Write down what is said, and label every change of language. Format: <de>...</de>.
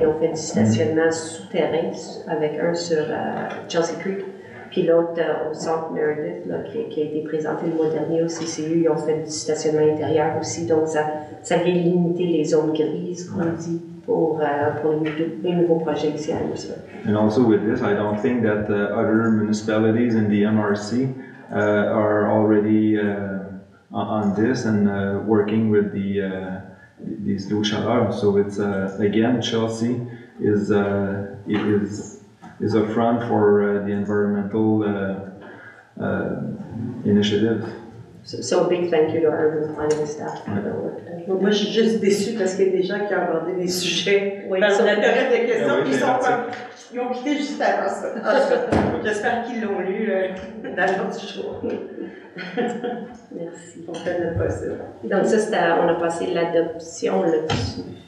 <fr>Ils ont fait du stationnement souterrain avec un sur Chelsea Creek, puis l'autre au centre Meredith, là, qui a été présenté le mois dernier au CCU. Ils ont fait du stationnement intérieur aussi, donc ça vient limiter les zones grises, comme on dit. Pour les nouveaux projets ici à</fr> <en>And also with this, I don't think that other municipalities in the MRC are already on this and working with the these îlots de chaleur. So it's again Chelsea is a front for the environmental initiatives.</en> <fr>Oui.</fr> <en>So big thank you to our urban planning staff for their work.</en> <fr>Bon, moi, je suis juste déçue parce qu'il y a des gens qui ont abordé des sujets dans l'intérêt des questions, qui sont pas, ils ont quitté juste avant ça. En tout cas, j'espère qu'ils l'ont lu dans le temps du jour. Merci. On fait notre possible. Donc, ça, c'était, on a passé l'adoption là-dessus.</fr>